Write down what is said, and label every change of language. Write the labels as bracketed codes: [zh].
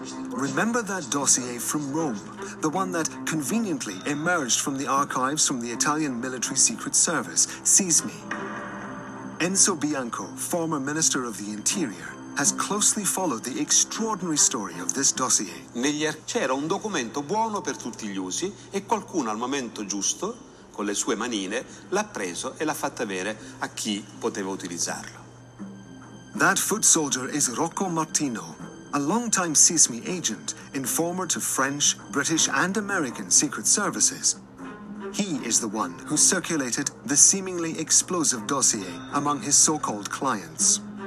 [en] Remember that dossier from Rome, the one that conveniently emerged from the archives from the Italian Military Secret Service, SISMI. Enzo Bianco, former Minister of the Interior, has closely followed the extraordinary story of this dossier. [it] Negli c'era un documento buono per tutti gli usi e qualcuno al momento giusto, con le sue manine, l'ha preso e l'ha fatto avere a chi poteva utilizzarlo. [en] That foot soldier is Rocco Martino, a longtime SISMI agent, informer to French, British, and American secret services. He is the one who circulated the seemingly explosive dossier among his so-called clients.